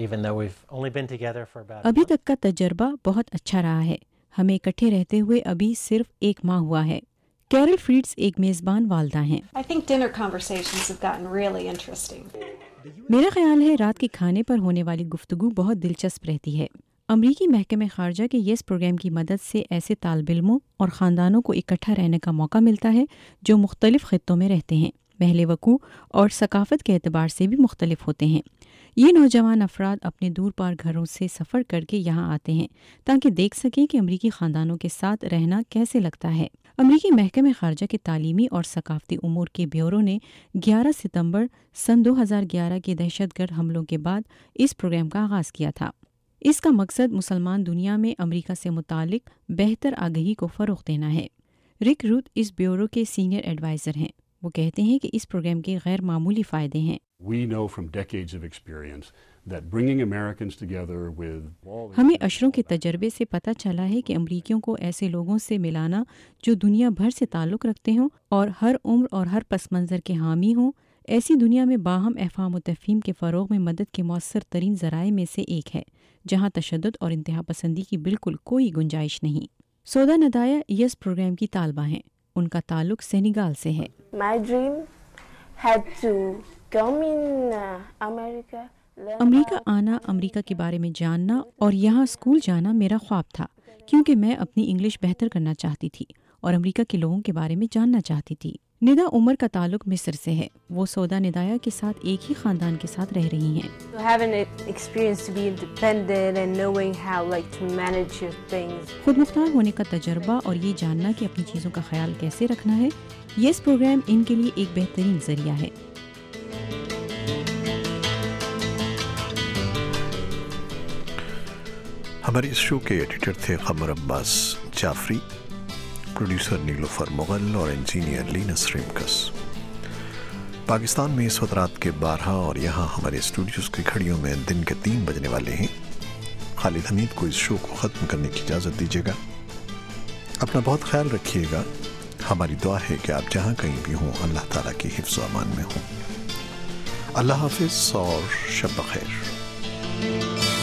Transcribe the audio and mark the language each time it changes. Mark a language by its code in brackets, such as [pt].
[ur] ابھی تک کا تجربہ بہت اچھا رہا ہے, ہمیں اکٹھے رہتے ہوئے ابھی صرف ایک ماہ ہوا ہے. کیرل فریڈز ایک میزبان والدہ ہیں. [en] I think dinner conversations have gotten really interesting. [ur] میرا خیال ہے رات کے کھانے پر ہونے والی گفتگو بہت دلچسپ رہتی ہے. امریکی محکمہ خارجہ کے یس پروگرام کی مدد سے ایسے طالب علموں اور خاندانوں کو اکٹھا رہنے کا موقع ملتا ہے جو مختلف خطوں میں رہتے ہیں, محل وقوع اور ثقافت کے اعتبار سے بھی مختلف ہوتے ہیں. یہ نوجوان افراد اپنے دور پار گھروں سے سفر کر کے یہاں آتے ہیں تاکہ دیکھ سکیں کہ امریکی خاندانوں کے ساتھ رہنا کیسے لگتا ہے. امریکی محکمہ خارجہ کے تعلیمی اور ثقافتی امور کے بیورو نے 11 ستمبر 2011 کے دہشت گرد حملوں کے بعد اس پروگرام کا آغاز کیا تھا. اس کا مقصد مسلمان دنیا میں امریکہ سے متعلق بہتر آگہی کو فروغ دینا ہے. رک روت اس بیورو کے سینئر ایڈوائزر ہیں. وہ کہتے ہیں کہ اس پروگرام کے غیر معمولی فائدے ہیں. [en] We know from decades of experience that bringing Americans together with... [ur] ہمیں عشروں کے تجربے سے پتہ چلا ہے کہ امریکیوں کو ایسے لوگوں سے ملانا جو دنیا بھر سے تعلق رکھتے ہوں اور ہر عمر اور ہر پس منظر کے حامی ہوں, ایسی دنیا میں باہم افہام و تفہیم کے فروغ میں مدد کے مؤثر ترین ذرائع میں سے ایک ہے, جہاں تشدد اور انتہا پسندی کی بالکل کوئی گنجائش نہیں. سودا ندایا یس پروگرام کی طالبہ ہیں. ان کا تعلق سینیگال سے ہے. [en] My dream had to come in America [ur] امریکہ آنا، امریکہ کے بارے میں جاننا اور یہاں اسکول جانا میرا خواب تھا، کیونکہ میں اپنی انگلش بہتر کرنا چاہتی تھی اور امریکہ کے لوگوں کے بارے میں جاننا چاہتی تھی۔ ندا عمر کا تعلق مصر سے ہے، وہ سودا ندایا کے ساتھ ایک ہی خاندان کے ساتھ رہ رہی ہیں۔ [en] So having an experience to be independent and knowing how like to manage your things. [ur] خود مختار ہونے کا تجربہ اور یہ جاننا کہ اپنی چیزوں کا خیال کیسے رکھنا ہے، یہ اس پروگرام ان کے لیے ایک بہترین ذریعہ ہے۔ ہمارے اس شو کے ایڈیٹر تھے خمر عباس جعفری، پروڈیوسر نیلوفر مغل اور انجینئر لینا سریمکس۔ پاکستان میں اس وقت رات کے 12 اور یہاں ہمارے اسٹوڈیوز کی گھڑیوں میں دن کے 3 بجنے والے ہیں۔ خالد حمید کو اس شو کو ختم کرنے کی اجازت دیجیے گا۔ اپنا بہت خیال رکھیے گا۔ ہماری دعا ہے کہ آپ جہاں کہیں بھی ہوں اللہ تعالیٰ کی حفظ و امان میں ہوں۔ اللہ حافظ اور شب بخیر۔